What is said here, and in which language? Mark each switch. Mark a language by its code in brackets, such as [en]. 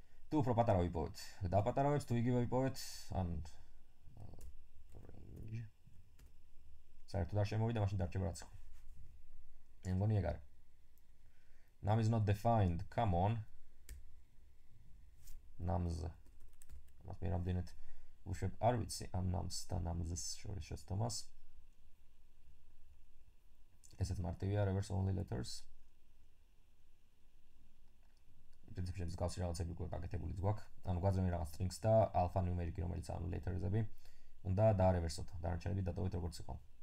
[ka] თუ უფრო პატარა ვიპოვეთ, დაპატარავებს, თუ იგივე ვიპოვეთ, ან საერთოდ არ შემოვიდა, მაშინ დარჩება რაც ხო. მე მგონი ეგ არის. [en] Num is not defined. Come on. Nums. [ka] მას მე რამდენად ვუშვებ, არ ვიცი, ამ nums და nums-ის შორის შეცდომას. ესეც მარტივია, [en] reverse only letters. [ka] პრინციპში მსგავსი რაღაცები უკვე გაკეთებულიც გვაქვს. ანუ გვაძლევენ რაღაც strings და alpha numeric-ი, რომელიც ანუ letters-ები, უნდა დაარევერსოთ. დანარჩენები დატოვეთ როგორც იყო.